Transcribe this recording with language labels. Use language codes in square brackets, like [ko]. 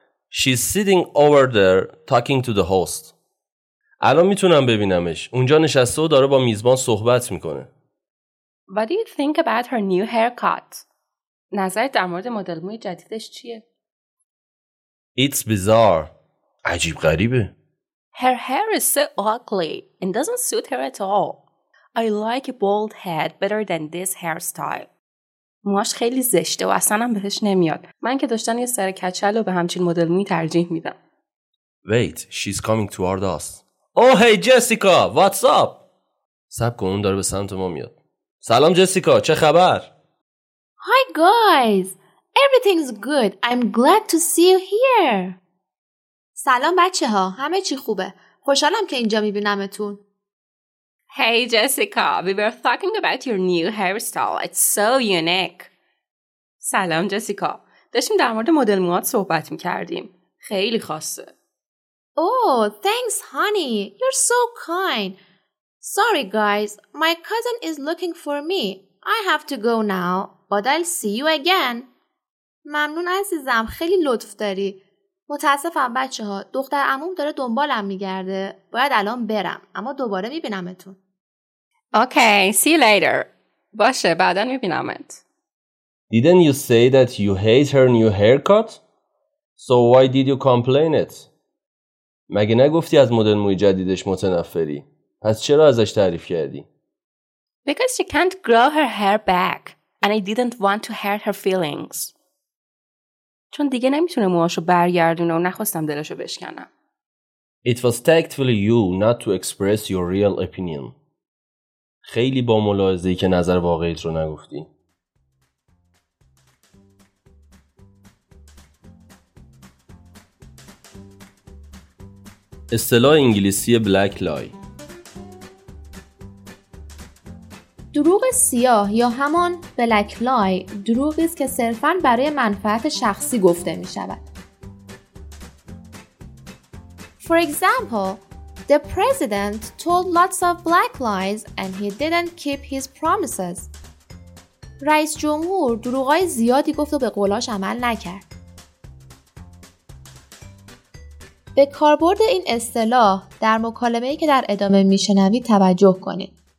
[en] She's sitting over there talking to the host. [fa] الان میتونم ببینمش. اونجا نشسته و داره با میزبان صحبت میکنه. [en] What do you think about her new haircut? [fa] نظرت در مورد مدل موی جدیدش چیه؟ [en] It's bizarre. [fa] عجیب غریبه. [en] Her hair is so ugly. It doesn't suit her at all. I like a bald head better than this hairstyle. [fa] موهاش خیلی زشته و اصلا هم بهش نمیاد. من که داشتن یه سر کچل رو به همچین مدل موی ترجیح میدم. [en] Wait, she's coming toward us. Oh, hey, Jessica, what's up? [fa] سب کن، اون داره به سمت ما میاد. سلام جسیکا، چه خبر؟ [en] Hi, guys. Everything's good. I'm glad to see you here. [fa] سلام بچه ها، همه چی خوبه. خوشحالم که اینجا میبینمتون. [en] Hey Jessica, we were talking about your new hairstyle. It's so unique. [fa] سلام جسیکا، داشتیم در مورد مدل موهات صحبت میکردیم. خیلی خاصه. [en] Oh, thanks honey. You're so kind. Sorry guys, my cousin is looking for me. I have to go now, but I'll see you again. [fa] ممنون عزیزم، خیلی لطف داری. متاسفم بچه ها، دختر عموم داره دنبالم میگرده. باید الان برم، اما دوباره میبینمتون. [en] Okay, see you later. [fa] باشه، بعدا میبینمت. [en] Didn't you say that you hate her new haircut? So why did you complain it? [fa] مگه نگفتی از مدل موی جدیدش متنفری؟ پس چرا ازش تعریف کردی؟ [en] Because she can't grow her hair back and I didn't want to hurt her feelings. [fa] چون دیگه نمیتونه موهاشو برگردونه و نخواستم دلشو بشکنم. [en] It was tactfully you not to express your real opinion. [fa] خیلی با ملاحظه‌ای که نظر واقعیت رو نگفتی. اصطلاح انگلیسی بلک لای. دروغ سیاه یا همان بلک لای دروغی است که صرفاً برای منفعت شخصی گفته می شود. [en] For example, the president told lots of black lies and he didn't keep his promises. [fa] رئیس جمهور دروغای زیادی گفت و به قولاش عمل نکرد. به کاربرد این اصطلاح در مکالمه‌ای که در ادامه می‌شنوید توجه کنید.